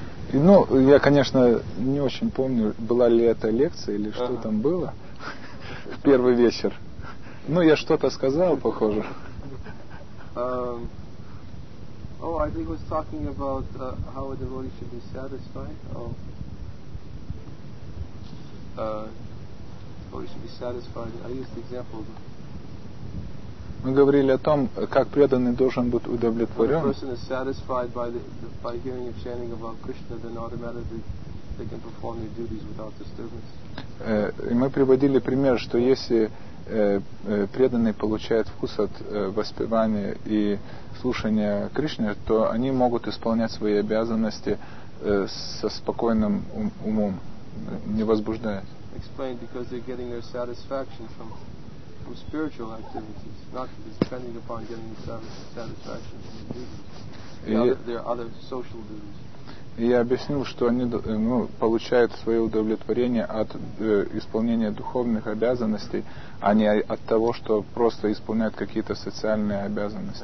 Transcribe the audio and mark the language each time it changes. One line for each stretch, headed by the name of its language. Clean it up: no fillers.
Russian: Ну, я, конечно, не очень помню, была ли это лекция или что там было в первый вечер. Ну, я что-то сказал, похоже.
English: I think he was talking about how a devotee should be satisfied.
Russian: Мы говорили о том, как преданный должен быть удовлетворен.
English: If a person is satisfied by hearing and chanting about Krishna, then automatically they can perform their duties without disturbance.
Russian: И мы приводили пример, что если преданный получает вкус от воспевания и слушания Кришны, то они могут исполнять свои обязанности со спокойным умом, не возбуждаясь.
English: Explained because they're getting their satisfaction from spiritual activities, not depending upon getting satisfaction from duties. There are other social duties.
Russian: Я объяснил, что они получают свое удовлетворение от исполнения духовных обязанностей, а не от того, что просто исполняют какие-то социальные обязанности.